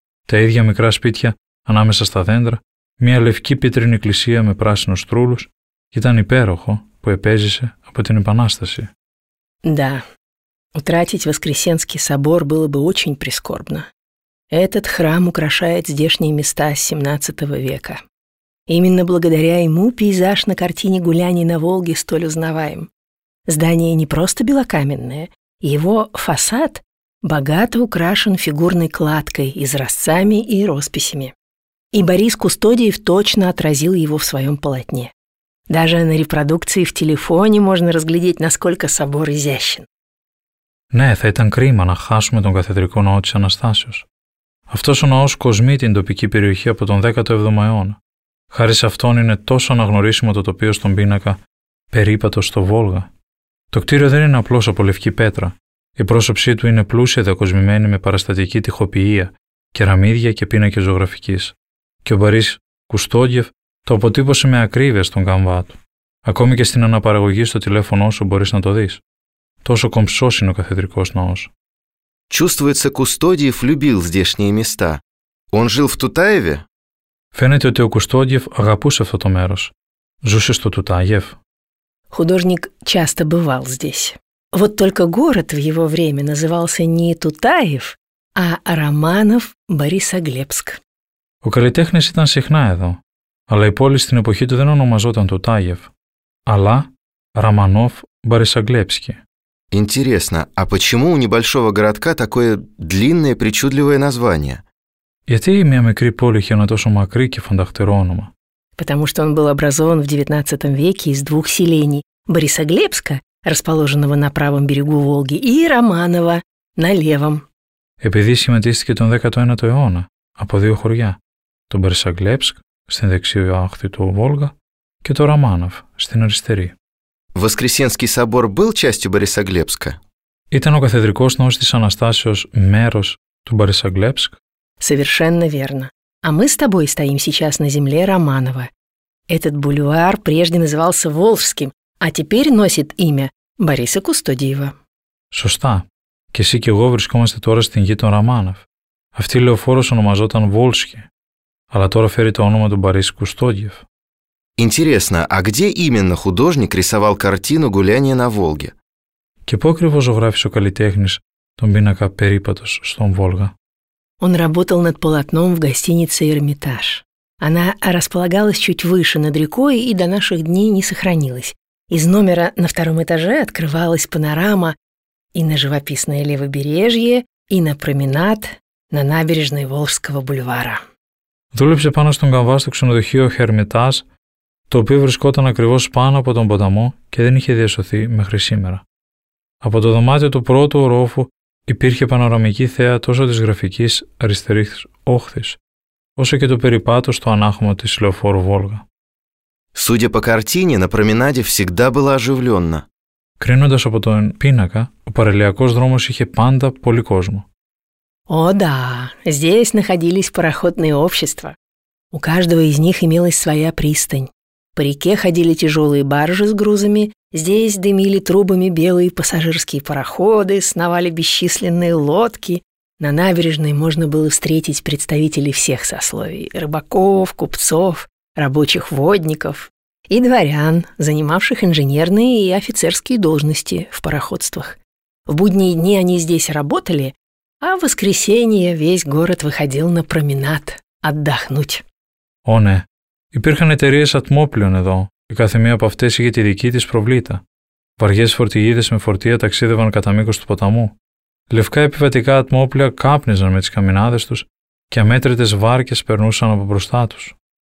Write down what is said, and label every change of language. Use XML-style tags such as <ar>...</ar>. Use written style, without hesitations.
<el>Τα ίδια μικρά σπίτια ανάμεσα στα δέντρα, μια λευκή πίτρινη εκκλησία με πράσινους στρούλους, ήταν υπέροχο που επέζησε από την Επανάσταση.</el> <ru>Да, утратить Воскресенский собор было бы очень прискорбно. Этот храм украшает здешние места 17 века. Именно благодаря ему пейзаж на картине «Гуляний на Волге» столь узнаваем. Здание не просто белокаменное, его фасад богато украшен фигурной кладкой, изразцами и росписями. И Борис Кустодиев точно отразил его в своем полотне. Даже на репродукции в телефоне можно разглядеть, насколько собор изящен.</ru> <el>Ναι, θα ήταν κρίμα να χάσουμε τον καθεδρικό ναό της Αναστάσεως. Αυτός ο ναός κοσμεί την τοπική περιοχή από τον 17ο αιώνα. Χάρη σε αυτόν είναι τόσο αναγνωρίσιμο το τοπίο στον πίνακα «Περίπατος στο Βόλγα». Το κτίριο δεν είναι απλώς από λευκή πέτρα. Η πρόσωψή του είναι πλούσια διακοσμημένη με παραστατική τοιχοποιία, κεραμίδια και πίνακες ζωγραφικής. Και ο Μπορίς Κουστόγιεφ το αποτύπωσε με ακρίβεια στον καμβά του. Ακόμη και στην αναπαραγωγή στο τηλέφωνό σου μπορείς να το δεις. Τόσο κομψός είναι ο καθεδρικός ναός.</el> <ru>Чувствуется, Кустодиев любил здешние места. Он жил в Тутаеве?</ru> <el>Φαίνεται ότι ο Кустодиев αγαπούσε αυτό το μέρος. Ζούσε στο Тутаев.</el> <ru>Художник часто бывал здесь. Вот только город в его время назывался не Тутаев, а Романов-Борисоглебск.</ru> <el>Ο καλλιτέχνης ήταν συχνά εδώ, αλλά η πόλη στην εποχή του δεν ονομαζόταν Тутаев, αλλά Романов-Борисоглебск.</el> <ru>Интересно, а почему у небольшого городка такое длинное причудливое название?</ru> <el>Γιατί μια μικρή πόλη είχε ένα τόσο μακρύ και φανταχτερό όνομα?</el> <ru>Потому что он был образован в XIX веке из двух селений – Борисоглебска, расположенного на правом берегу Волги, и Романова – на левом.</ru> <el>Επειδή σχηματίστηκε τον 19ο αιώνα από δύο χωριά, τον Борисоглебск στην δεξιά άκρη του Βόλγα και το Романов στην αριστερή.</el> <ru>Воскресенский собор был частью Борисоглебска?</ru> <el>Ήταν ο καθεδρικός ναός της Αναστάσεως μέρος του Борисоглебск?</el> <ru>Совершенно верно. А мы с тобой стоим сейчас на земле Романова. Этот бульвар прежде назывался Волжским, а теперь носит имя Бориса Кустодиева.</ru> <el>Σωστά. Και εσύ και εγώ βρισκόμαστε τώρα στην γη των Ραμάνοβ. Αυτή η λεωφόρος ονομαζόταν Волжский, αλλά τώρα φέρει το όνομα του Бориса Кустодиева.</el> <ru>Интересно, а где именно художник рисовал картину «Гуляние на Волге»?</ru> <el>Και πού ακριβώς ζωγράφησε ο καλλιτέχνης τον πίνακα περίπατος στον Βόλγα?</el> <ru>Он работал над полотном в гостинице «Эрмитаж». Она располагалась чуть выше над рекой и до наших дней не сохранилась. Из номера на втором этаже открывалась панорама и на живописное левобережье, и на променад на набережной Волжского бульвара.</ru> <el>Δούλεψε πάνω στον καμβά στο ξενοδοχείο «Эрмитаж», το οποίο βρισκόταν ακριβώς πάνω από τον ποταμό και δεν είχε διασωθεί μέχρι σήμερα. Από το δωμάτιο του πρώτου ορόφου υπήρχε πανοραμική θέα τόσο της γραφικής αριστερής όχθης, όσο και το περιπάτο στο ανάχωμα της λεωφόρου Βόλγα.</el> <ru>Судя по картине, на променаде всегда было оживленно.</ru> <el>Κρίνοντας από τον πίνακα, ο παραλιακός δρόμος είχε πάντα πολύ κόσμο.</el> <ru>О да, здесь находились пароходные общества. У каждого из них имелась своя пристань. По реке ходили тяжелые баржи с грузами, здесь дымили трубами белые пассажирские пароходы, сновали бесчисленные лодки. На набережной можно было встретить представителей всех сословий – рыбаков, купцов, рабочих водников и дворян, занимавших инженерные и офицерские должности в пароходствах. В будние дни они здесь работали, а в воскресенье весь город выходил на променад отдохнуть.</ru> <el>О, ναι. Υπήρχαν εταιρείες ατμόπλοιων εδώ, και κάθε μία από αυτές είχε τη δική της προβλήτα. Βαριές φορτηγίδες με φορτία ταξίδευαν κατά μήκος του ποταμού. Λευκά επιβατικά ατμόπλια κάπνιζαν με τις καμινάδες τους και αμέτρητες βάρκες περνούσαν από μπροστά τους.</el>